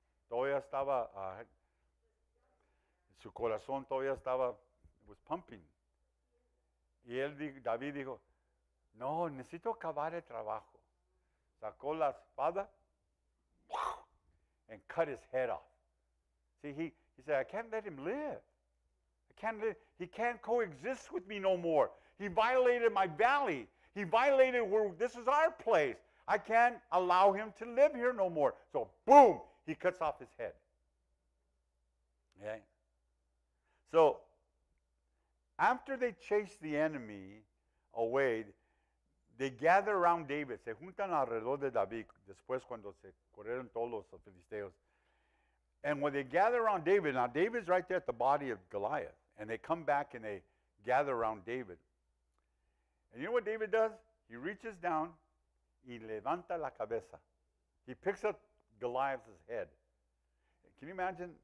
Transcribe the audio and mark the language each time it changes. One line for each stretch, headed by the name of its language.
Spanish: Todavía estaba, su corazón todavía estaba,
English: was pumping.
Spanish: Y él, David dijo, no, necesito acabar el trabajo. Sacó la espada,
English: and cut his head off. See, he said, I can't let him live. He can't coexist with me no more. He violated my valley. He violated where this is our place. I can't allow him to live here no more. So, boom, he cuts off his head. Okay? So, after they chase the enemy away, they gather around David.
Spanish: Se juntan alrededor de David después cuando se corrieron todos los filisteos.
English: And when they gather around David, now David's right there at the body of Goliath. And they come back and they gather around David. And you know what David does? He reaches down,
Spanish: y levanta la cabeza.
English: He picks up Goliath's head. Can you imagine?